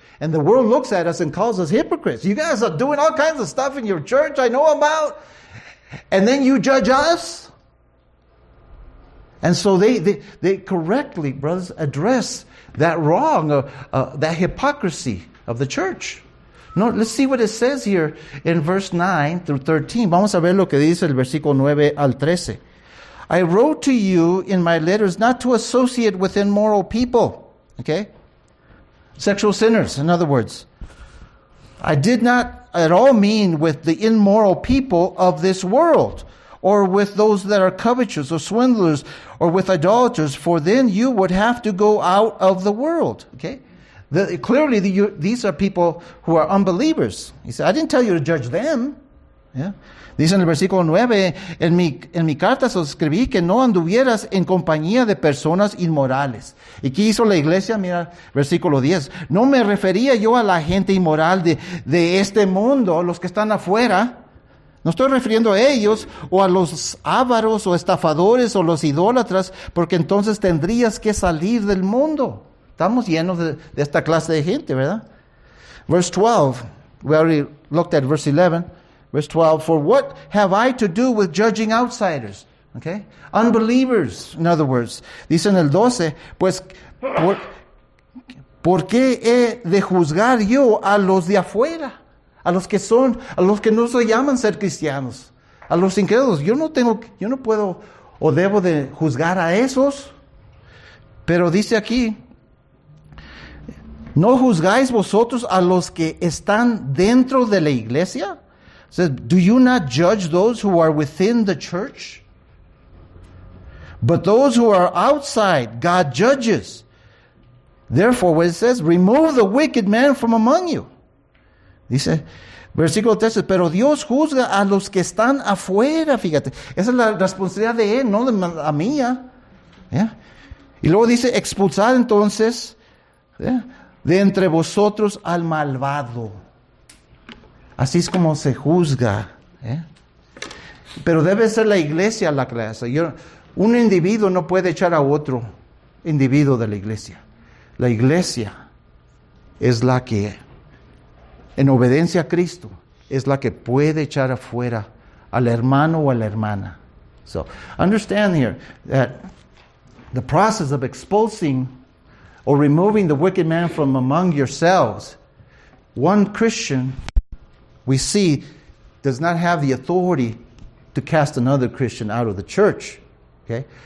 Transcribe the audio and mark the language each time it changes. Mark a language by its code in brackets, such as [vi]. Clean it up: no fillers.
[en] And the world looks at us and calls us hypocrites. You guys are doing all kinds of stuff in your church I know about. And then you judge us? And so they correctly, brothers, address that wrong, that hypocrisy of the church. No, let's see what it says here in verse 9 through 13. [es] Vamos a ver lo que dice el versículo 9 al 13. [en] I wrote to you in my letters not to associate with immoral people. Okay? Sexual sinners, in other words. I did not at all mean with the immoral people of this world, or with those that are covetous, or swindlers, or with idolaters, for then you would have to go out of the world. Okay? These are people who are unbelievers. He said, I didn't tell you to judge them. Yeah? [es] Dice en el versículo 9, en mi carta escribí que no anduvieras en compañía de personas inmorales. ¿Y qué hizo la iglesia? Mira, versículo 10. No me refería yo a la gente inmoral de este mundo, los que están afuera. No estoy refiriendo a ellos, o a los ávaros, o estafadores, o los idólatras, porque entonces tendrías que salir del mundo. Estamos llenos de esta clase de gente, ¿verdad? [en] Verse 12, we already looked at verse 11. Verse 12, for what have I to do with judging outsiders? Okay? Unbelievers, in other words. [es] Dice en el 12, pues, ¿por qué he de juzgar yo a los de afuera? A los que son, a los que no se llaman ser cristianos. A los incrédulos. Yo no puedo o debo de juzgar a esos. Pero dice aquí, ¿no juzgáis vosotros a los que están dentro de la iglesia? [en] It says, do you not judge those who are within the church? But those who are outside, God judges. Therefore, what it says, remove the wicked man from among you. [es] Dice, versículo 13, pero Dios juzga a los que están afuera, fíjate. Esa es la responsabilidad de él, no de la mía. ¿Yeah? Y luego dice, expulsad entonces, ¿yeah?, de entre vosotros al malvado. Así es como se juzga. ¿Eh? Pero debe ser la iglesia la que hace. Un individuo no puede echar a otro individuo de la iglesia. La iglesia es la que, en obediencia a Cristo, es la que puede echar afuera al hermano o a la hermana. [en] So, understand here that the process of expulsing or removing the wicked man from among yourselves, one Christian, we see, does not have the authority to cast another Christian out of the church. Okay?